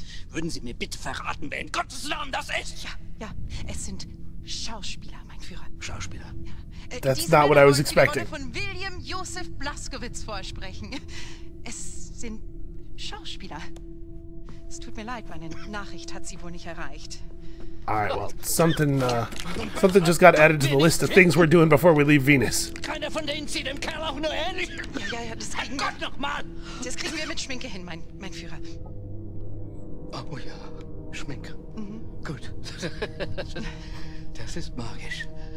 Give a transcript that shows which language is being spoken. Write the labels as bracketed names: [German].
[German] Würden Sie mir bitte verraten, wer in Gottes Namen das ist? Ja, ja, es sind Schauspieler, mein Führer. Schauspieler? [English] That's not what I was expecting. [German] Von William Joseph Blazkowicz vorsprechen. Es sind Schauspieler. Es tut mir leid, meine Nachricht hat sie wohl nicht erreicht. [English] All right, well, something just got added to the list of things we're doing before we leave Venus. [German] Keiner von denen sieht dem Kerl auch nur ähnlich. Ja, das kriegen wir. Gott noch mal. Das kriegen wir mit Schminke hin, mein Führer. Oh ja, Schminke. Gut. Das ist magisch.